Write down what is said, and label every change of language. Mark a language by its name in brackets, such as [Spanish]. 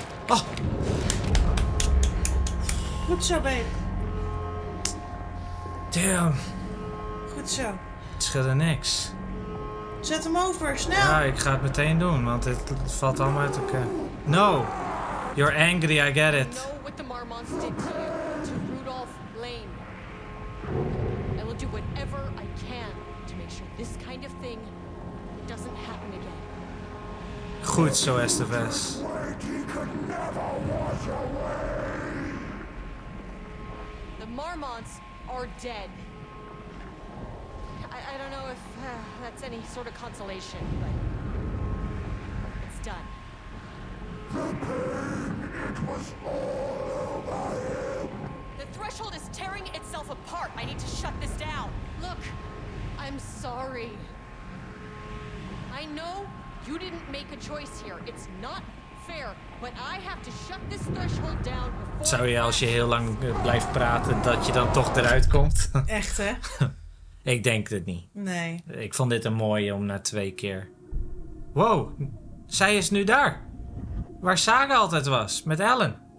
[Dutch] Oh! Goed zo, babe. [English] Damn. [Dutch] Goed zo. Het scheelde niks. Zet hem over, snel! Ja, ik ga het meteen doen, want het valt allemaal uit elkaar. [English] No! You're angry, I get it. I know what the Marmons did to you, to Rudolph Lane. I will do whatever I can to make sure this kind of thing doesn't happen again. [Dutch] Goed zo, Estevez. [English] The Marmons are dead. I don't know if that's any sort of consolation, but it's done. It was all over him. The threshold is tearing itself apart. I need to shut this down. Look, I'm sorry. I know you didn't make a choice here. It's not fair, but I have to shut this threshold down before. [Dutch] Zou je als je heel lang blijft praten dat je dan toch eruit komt? Echt, hè? Ik denk het niet. Nee. Ik vond dit een mooie om na twee keer. Wow, zij is nu daar. Waar Saga altijd was, met Ellen.